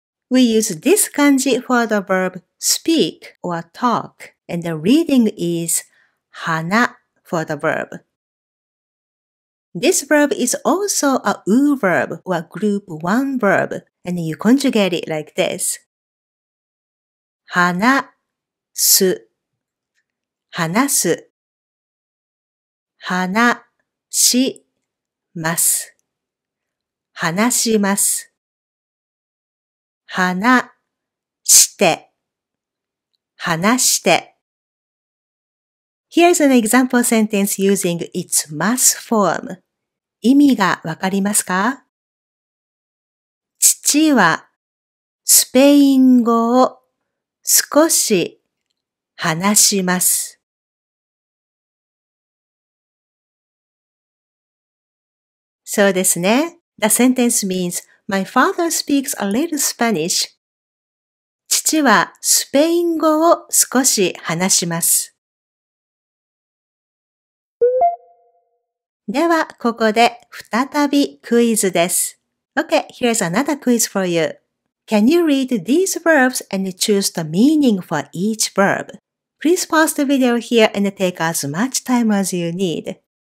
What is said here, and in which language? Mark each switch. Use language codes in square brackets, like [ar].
[en] We use this kanji for the verb speak or talk, and the reading is 話 for the verb. This verb is also a U verb or group 1 verb, and you conjugate it like this. [ja] 話す話す話します話します話して話して [en] Here's an example sentence using its mas form. [ja] 意味がわかりますか？父はスペイン語を少し話します。そうですね。 [en] The sentence means, My father speaks a little Spanish. [ja] 父はスペイン語を少し話します。では、ここで再びクイズです。 [en] Okay, here's another quiz for you. Can you read these verbs and choose the meaning for each verb? Please pause the video here and take as much time as you need.